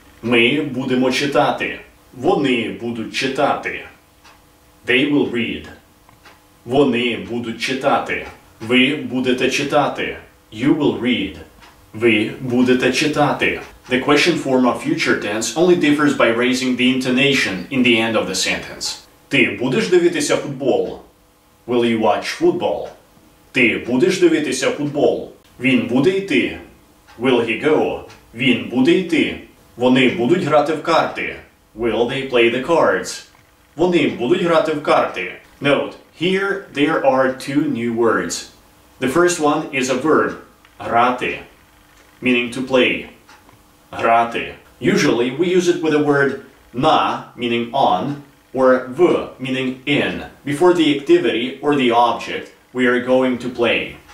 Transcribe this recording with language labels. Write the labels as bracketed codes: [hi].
[uk] Ми будемо читати. Вони будуть читати. [en] They will read. [uk] Вони будуть читати. Ви будете читати. [en] You will read. [uk] Ви будете читати. [en] The question form of future tense only differs by raising the intonation in the end of the sentence. [uk] Ти будеш дивитися футбол? [en] Will you watch football? [uk] Ти будеш дивитися футбол? Він буде йти? [en] Will he go? [uk] Він буде йти? Вони будуть грати в карти? [en] Will they play the cards? [uk] Вони будуть грати в карти? [en] Note, here there are two new words. The first one is a verb, грати, meaning to play. [uk] Грати. [en] Usually we use it with the word на, meaning on, or в, meaning in, before the activity or the object we are going to play.